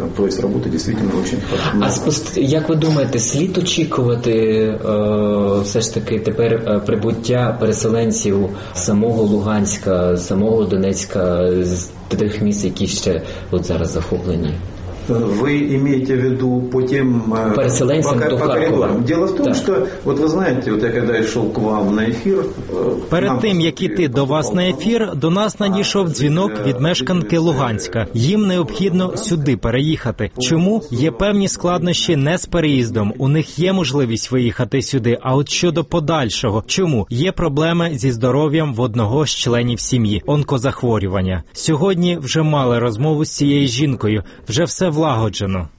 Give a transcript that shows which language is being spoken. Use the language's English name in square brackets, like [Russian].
[Ukrainian] Тобто роботи дійсно дуже багато. Як ви думаєте, слід очікувати все ж таки тепер прибуття переселенців самого Луганська, самого Донецька, з тих місць, які ще от зараз захоплені? [Russian] Вы имеете в виду потом по коридорам. Дело в том, что вот вы знаете, вот я когда шел к вам на эфир. [Ukrainian] Перед тим, як іти до вас на ефір, до нас надійшов дзвінок від мешканки Луганська. Їм необхідно сюди переїхати. Чому? Є певні складнощі не з переїздом. У них є можливість виїхати сюди. А от щодо подальшого, чому? Є проблеми зі здоров'ям в одного з членів сім'ї – онкозахворювання. Сьогодні вже мали розмову з цією жінкою. Вже все влагоджено.